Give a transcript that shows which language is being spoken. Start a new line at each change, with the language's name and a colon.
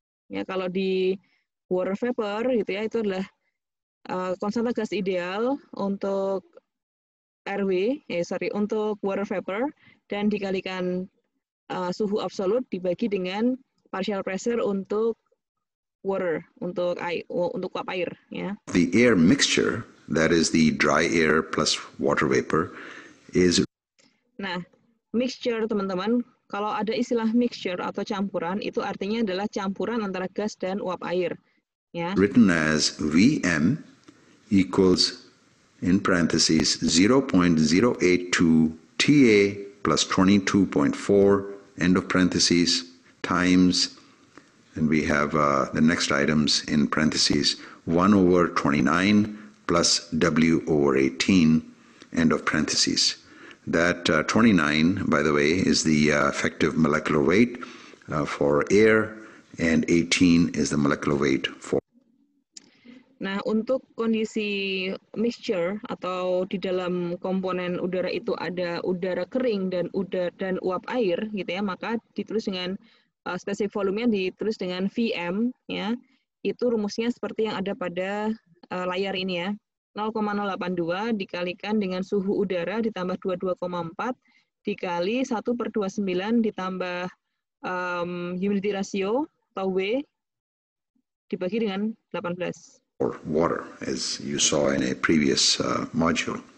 Indonesian: Ya kalau di water vapor gitu ya, itu adalah konstanta gas ideal untuk RW, untuk water vapor dan dikalikan suhu absolut dibagi dengan partial pressure untuk water, untuk uap air ya.
English: The air mixture, that is the dry air plus water vapor, is...
Indonesian: Nah, mixture teman-teman, kalau ada istilah mixture atau campuran, itu artinya adalah campuran antara gas dan uap air. Ya.
English: Written as Vm equals, in parentheses, 0.082 Ta plus 22.4, end of parentheses, times, and we have the next items in parentheses, 1 over 29, plus W over 18, end of parentheses. That 29, by the way, is the effective molecular weight for air, and 18 is the molecular weight for...
Indonesian: Nah, untuk kondisi mixture atau di dalam komponen udara itu ada udara kering dan udara dan uap air, gitu ya, maka ditulis dengan spesifik volumenya ditulis dengan Vm, ya, itu rumusnya seperti yang ada pada layar ini ya, 0,082 dikalikan dengan suhu udara ditambah 22,4 dikali 1/29 ditambah humidity ratio atau W dibagi dengan 18.
English: Or water, as you saw in a previous module.